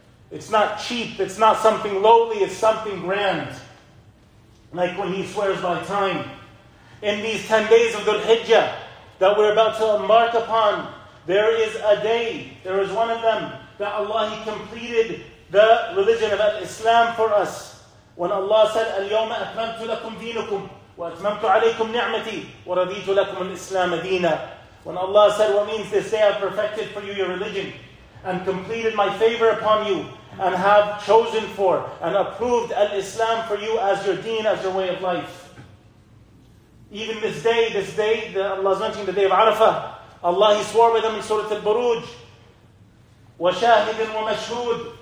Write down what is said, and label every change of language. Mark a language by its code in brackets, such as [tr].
[en] It's not cheap, it's not something lowly, it's something grand. Like when He swears by time. In these 10 days of Dhul-Hijjah that we're about to embark upon, there is a day, there is one of them, that Allah, He completed the religion of Islam for us. When Allah said, [ar] الْيَوْمَ أَتْمَمْتُ لَكُمْ دِينُكُمْ وَأَتْمَمْتُ عَلَيْكُمْ نِعْمَتِي وَرَضِيتُ لَكُمْ الْإِسْلَامَ دِينًا. [en] When Allah said, what means this day I've perfected for you your religion, and completed my favor upon you, and have chosen for and approved al-Islam for you as your deen, as your way of life. Even this day that Allah is mentioning, the day of Arafah, Allah, He swore by them in Surah Al-Buruj, [ar] وَشَاهِدٍ وَمَشْهُودٍ.